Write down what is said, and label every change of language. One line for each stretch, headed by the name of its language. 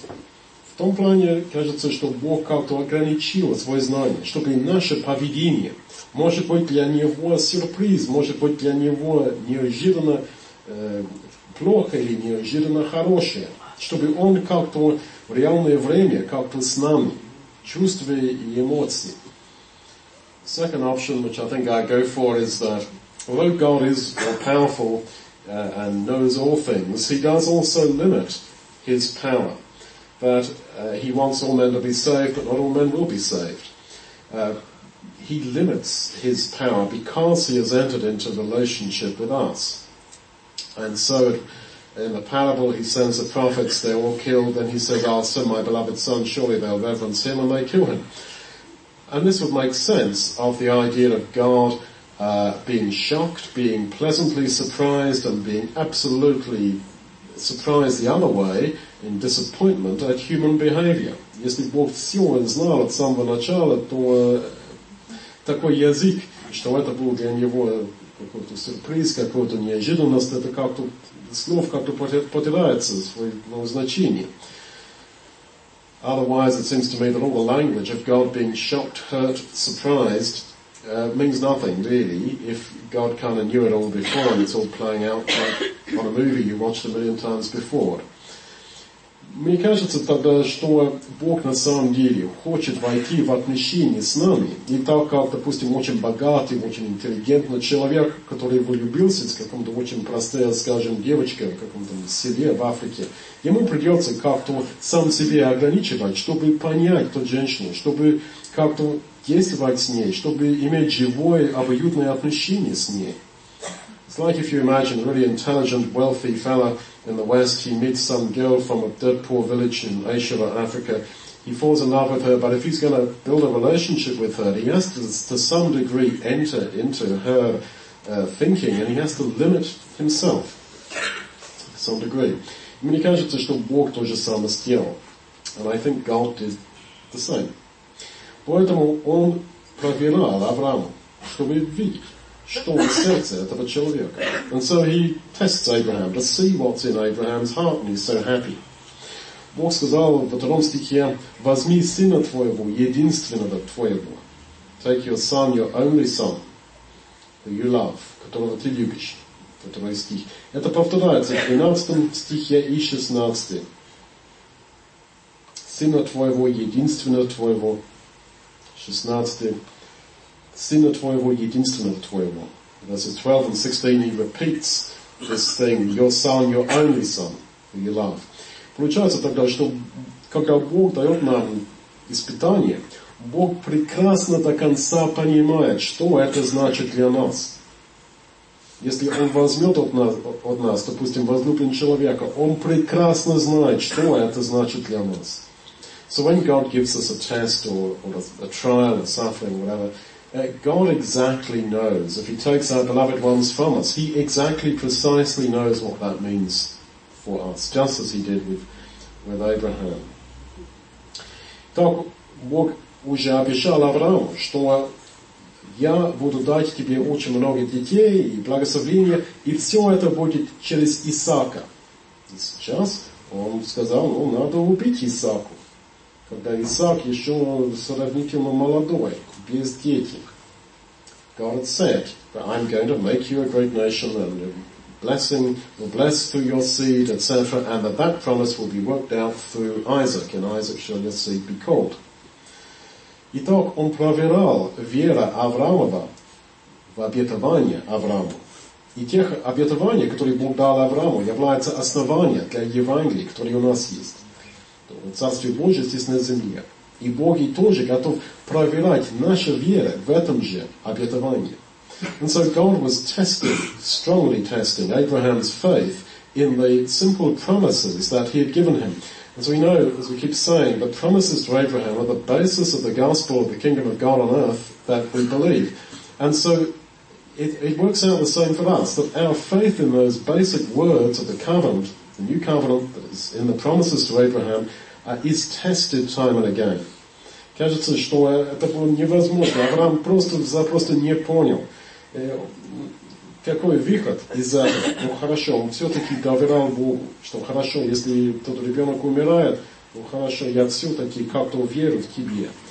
Russian: В том плане, кажется, что Бог как-то ограничил свое знание, чтобы наше поведение, может быть для него сюрприз, может быть для него неожиданно плохо или неожиданно хорошее, чтобы он как-то в реальное время, как-то с нами, чувства и эмоции.
English: Second option, which I think I go for, is that although God is all-powerful and knows all things, he does also limit his power. That he wants all men to be saved, but not all men will be saved. He limits his power because he has entered into relationship with us. And so in the parable, he sends the prophets, they're all killed, and he says, I'll send my beloved son, surely they'll reverence him, and they kill him. And this would make sense of the idea of God being shocked, being pleasantly surprised, and being absolutely surprised the other way in disappointment at human behavior.
Russian: Если Бог всё знал от самого начала, то такой язык, что это был для него какой-то сюрприз, какой-то неожиданность, это как-то слов как-то потеряется своего значения.
English: Otherwise, it seems to me that all the language of God being shocked, hurt, surprised means nothing, really, if God kind of knew it all before and it's all playing out like on a movie you watched a million times before.
Russian: Мне кажется тогда, что Бог на самом деле хочет войти в отношения с нами. Не так, как, допустим, очень богатый, очень интеллигентный человек, который влюбился в каком-то очень простой, скажем, девочке в каком-то селе в Африке. Ему придется как-то сам себе ограничивать, чтобы понять ту женщину, чтобы как-то действовать с ней, чтобы иметь живое, обоюдное отношение с ней.
English: It's like if you imagine a really intelligent, wealthy fella in the West, he meets some girl from a dirt poor village in Asia or Africa, he falls in love with her, but if he's going to build a relationship with her, he has to some degree enter into her thinking, and he has to limit himself to some degree.
Russian: Мне кажется, что Бог то же самое сделал.
English: And I think God did the same.
Russian: Поэтому он проверял Авраама, чтобы видеть, что в сердце этого человека.
English: And so he tests Abraham to see what's in Abraham's heart, and he's so happy.
Russian: Бог сказал в втором стихе, возьми сына твоего, единственного твоего.
English: Take your son, your only son, who you love,
Russian: которого ты любишь. Второй стих. Это повторяется в 12 стихе и 16. Сына твоего, единственного твоего, 16. Сына твоего, единственного твоего.
English: Verses 12 and 16, he repeats this thing, your son, your only son, who you love.
Russian: Получается тогда, что когда Бог дает нам испытание, Бог прекрасно до конца понимает, что это значит для нас. Если он возьмет от нас, допустим, возлюблен человека, он прекрасно знает, что это значит для нас.
English: So when God gives us a test or a trial or suffering, whatever, God exactly knows, if he takes our beloved ones from us, he exactly precisely knows what that means for us, just as he did with Abraham.
Russian: Так, Бог уже обещал Аврааму, что я буду дать тебе очень много детей и благословения, и все это будет через Исаака. И сейчас он сказал, ну, надо убить Исааку. Когда Исаак еще сравнительно молодой, без детей.
English: God said that I'm going to make you a great nation and a blessing will bless through your seed, etc., and that promise will be worked out through Isaac, and Isaac shall your seed be called.
Russian: Итак, он проверял вера Авраамова в обетование Аврааму. И тех обетований, которые Бог дал Аврааму, является основанием для Евангелия, которое у нас есть. Царствие Божие здесь на земле. И Бог и тоже готов проверять нашу веру в этом же обетовании.
English: And so God was testing, strongly testing Abraham's faith in the simple promises that he had given him. And so we know, as we keep saying, the promises to Abraham are the basis of the gospel of the kingdom of God on earth that we believe. And so it works out the same for us, that our faith in those basic words of the covenant, the new covenant that is in the promises to Abraham, is tested time and again.
Russian: Кажется, что это было невозможно. Авраам просто не понял, какой выход из этого. Ну хорошо, он все-таки доверял Богу, что хорошо, если тот ребенок умирает, ну хорошо, я все-таки как-то верю в тебе.